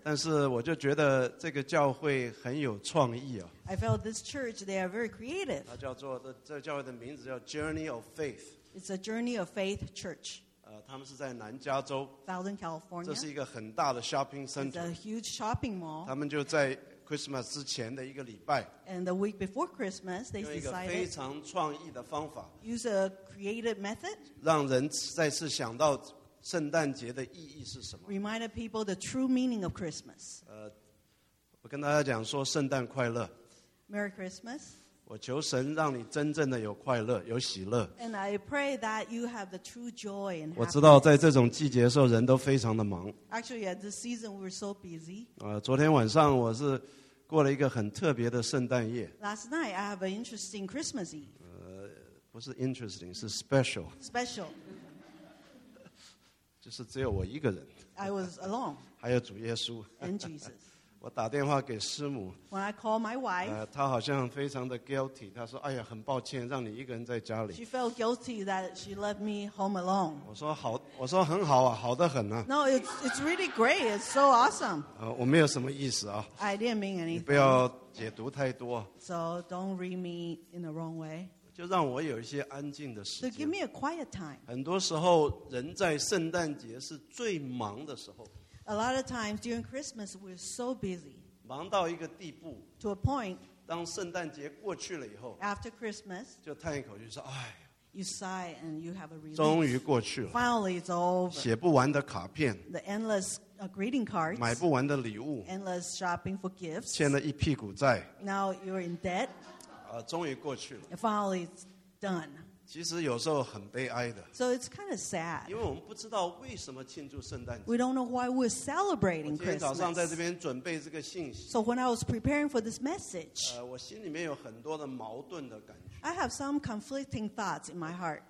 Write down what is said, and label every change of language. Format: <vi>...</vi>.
<zh>但是我就觉得这个教会很有创意啊。</zh> <en>I felt this church, they are very creative.</en> <zh>它叫做这教会的名字叫 Journey of Faith.</zh> <en>It's a Journey of Faith Church.</en> <zh>他们是在南加州</zh> <en>Southern California.</en> <zh>这是一个很大的 shopping center.</zh> <en>It's a huge shopping mall.</en> <zh>他们就在 Christmas 之前的一个礼拜</zh> <en>And the week before Christmas, they decided</en> <zh>用一个非常创意的方法</zh> <en>Use a creative method.</en> <zh>让人再次想到圣诞节的意义是什么</zh> <en>Reminded people the true meaning of Christmas.</en> <zh>我跟大家讲说圣诞快乐</zh> <en>Merry Christmas.</en> <zh>我求神让你真正的有快乐，有喜乐。</zh> <en>And I pray that you have the true joy and happiness.</en> <zh>我知道在这种季节的时候，人都非常的忙。</zh> <en>Actually, at this season, we're so busy.</en> <zh>昨天晚上我是过了一个很特别的圣诞夜。</zh> <en>Last night, I have an interesting Christmas Eve.</en> <zh>不是 interesting, 是 special.</zh> <en>Special.</en> <zh>就是只有我一个人。</zh> <en>I was alone.</en> <zh>还有主耶稣。</zh> <en>And Jesus.</en> <zh>我打电话给师母</zh> <en>When I call my wife,</en> <zh>她好像非常的 guilty 她说哎呀很抱歉让你一个人在家里</zh> <en>She felt guilty that she left me home alone</en> <zh>我说很好啊好得很啊</zh> <en>No, it's really great, it's so awesome</en> <zh>我没有什么意思啊</zh> <en>I didn't mean anything</en> <zh>你不要解读太多</zh> <en>So don't read me in the wrong way</en> <zh>就让我有一些安静的时间</zh> <en>So give me a quiet time</en> <zh>很多时候人在圣诞节是最忙的时候</zh> <en>A lot of times during Christmas, we're so busy.</en> <zh>忙到一个地步</zh> <en>To a point.</en> <zh>当圣诞节过去了以后</zh> <en>After Christmas.</en> <zh>就叹一口就说哎</zh> <en>You sigh and you have a relief.</en> <zh>终于过去了</zh> <en>Finally, it's over.</en> <zh>写不完的卡片</zh> <en>The endless greeting cards.</en> <zh>买不完的礼物</zh> <en>Endless shopping for gifts.</en> <zh>欠了一屁股债</zh> <en>Now you're in debt.</en> <zh>终于过去了</zh> <en>Finally, it's done.</en> <zh>其实有时候很悲哀的</zh> <en>So it's kind of sad</en> <zh>因为我们不知道为什么庆祝圣诞节</zh> <en>We don't know why we're celebrating Christmas</en> <zh>我今天早上在这边准备这个信息</zh> <en>So when I was preparing for this message</en> <zh>我心里面有很多的矛盾的感觉</zh> <en>I have some conflicting thoughts in my heart</en>